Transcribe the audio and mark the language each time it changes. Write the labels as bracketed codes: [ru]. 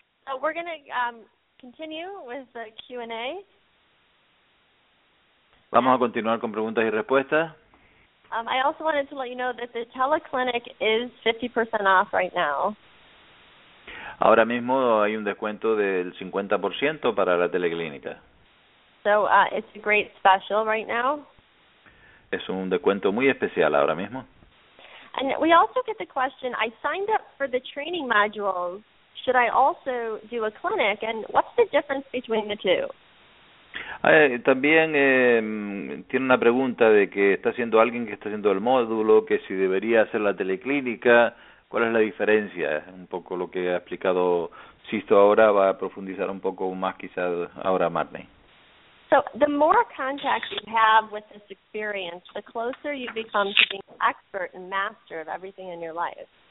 [en] So we're going to continue with the Q&A. [es] Vamos a continuar con preguntas y respuestas. [en] I also wanted to let you know that the teleclinic is 50% off right now. [es] Ahora mismo hay un descuento del 50% para la teleclínica. [en] So it's a great special right now. [es] Es un descuento muy especial ahora mismo. [en] And we also get the question, I signed up for the training modules. Should I also do a clinic? And what's the difference between the two? [es] También tiene una pregunta de que está haciendo alguien que está haciendo el módulo, que si debería hacer la teleclínica, ¿cuál es la diferencia? Un poco lo que ha explicado Sisto ahora, va a profundizar un poco más quizás ahora Marnie. [en] So the more contact you have with this experience, the closer you become to being expert and master of everything in your life.